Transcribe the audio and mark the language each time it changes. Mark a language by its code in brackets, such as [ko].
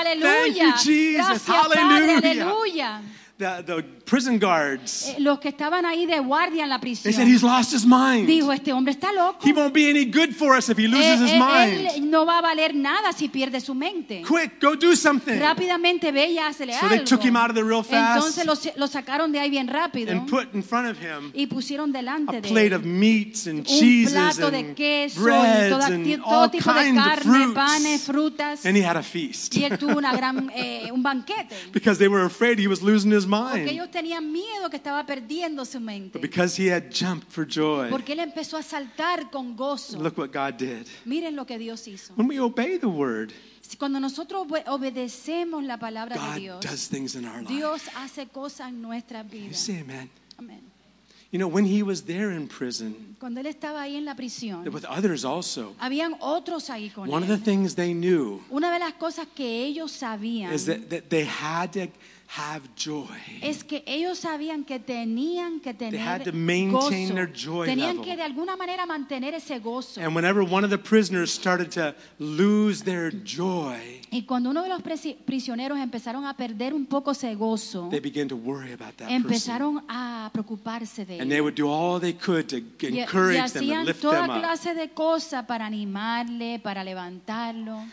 [en] Thank you Jesus, hallelujah. [es] Padre, hallelujah. [en] The prison guards. [es] Los que estaban ahí de guardia en la prisión. [en] They said he's lost his mind. [es] Dijo este hombre está loco. [en] He won't be any good for us if he loses his mind. [es] Él no va a valer nada si pierde su mente. [en] Quick, go do something. [es] Rápidamente ve y hazle [en] so [es] algo. [en] So they took him out of there real fast. [es] Entonces lo sacaron de ahí bien rápido. [en] And put in front of him. [es] Y pusieron delante de él. [en] A plate of meats and cheeses [es] plato [en] and [es] de queso [en] breads [es] y todo tipo de carne, panes, frutas. [en] And he had a feast. [es] Y él tuvo una gran un banquete. [en] Because they were afraid he was losing his [es] Porque ellos tenían miedo que estaba perdiendo su mente. [en] But because he had jumped for joy. [es] Porque él empezó a saltar con gozo. [en] Look what God did. [es] Miren lo que Dios hizo. [en] When we obey the word. [es] Cuando nosotros obedecemos la palabra [en] God [es] de Dios. [en] God does things in our life. [es] Dios hace cosas en nuestras vidas. [en] You say amen. [es] Amen. [en] You know, when he was there in prison, [es] cuando él estaba ahí en la prisión, [en] with others also, [es] habían otros ahí con [en] one [es] él. [en] Of the things they knew [es] una de las cosas que ellos sabían [en] is that they had to have joy. [es] Es que ellos sabían que tenían que tener [en] they had to maintain [es] gozo. [en] Their joy [es] tenían [en] level. [es] Que de alguna manera mantener ese gozo. [en] And whenever one of the prisoners started to lose their joy, [es] y cuando uno de los prisioneros empezaron a perder un poco ese gozo, [en] they began to worry about that [es] empezaron [en] person. [es] A preocuparse de él. [en] And they would do all they could to encourage them and lift them up. [es] Y hacían toda clase de cosas para animarle, para levantarlo.